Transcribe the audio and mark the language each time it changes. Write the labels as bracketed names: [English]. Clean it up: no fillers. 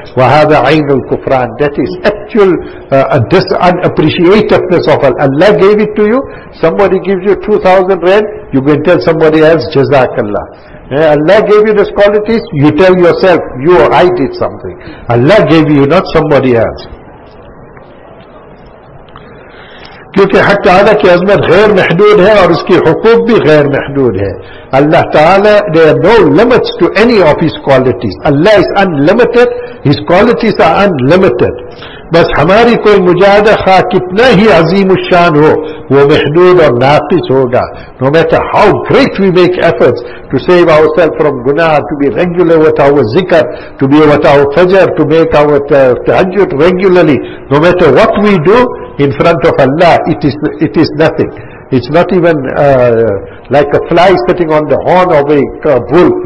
[Arabic] وَهَذَا عَيْنُ الْكُفْرَانِ [English] That is actual unappreciativeness of Allah. Allah gave it to you, somebody gives you 2,000 rand, you can tell somebody else, Jazakallah. Allah gave you these qualities, you tell yourself, you or I did something. Allah gave you, not somebody else. [Urdu] کیونکہ حق تعالیٰ کی عظمت غیر محدود ہے اور اس کی حقوق بھی غیر محدود ہے. [English] اللہ تعالیٰ, there are no limits to any of his qualities. Allah is unlimited, his qualities are unlimited. [Urdu] بس ہماری کوئی مجاہدہ خواہ کتنا ہی عظیم الشان ہو, وہ محدود اور ناقص ہوگا. [English] No matter how great we make efforts to save ourselves from guna, to be regular with our zikr, to be with our fajr, to make our tahajjud regularly, no matter what we do in front of Allah, it is nothing. It's not even like a fly sitting on the horn of a bull.